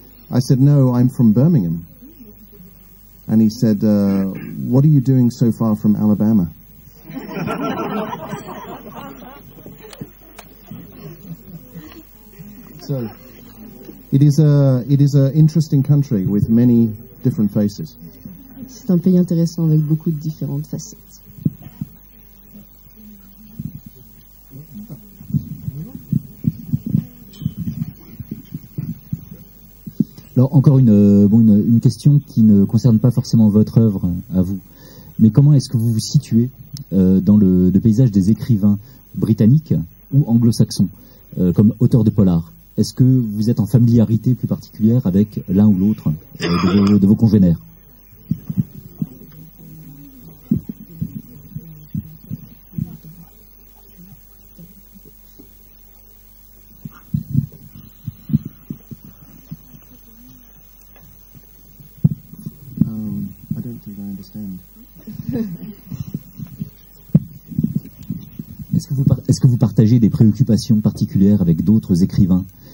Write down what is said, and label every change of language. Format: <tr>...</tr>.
<en>I said, no, I'm from Birmingham. And he said, what are you doing so far from Alabama? So, it is a interesting country with many different faces.</en> <fr>C'est un pays intéressant avec beaucoup de différentes facettes. Alors encore une question qui ne concerne pas forcément votre œuvre à vous, mais comment est-ce que vous vous situez dans le paysage des écrivains britanniques ou anglo-saxons comme auteur de polar? Est-ce que vous êtes en familiarité plus particulière avec l'un ou l'autre de vos congénères?</fr> <en>I don't think I understand.</en> <fr>Est-ce que vous partagez des préoccupations particulières avec d'autres écrivains?</fr>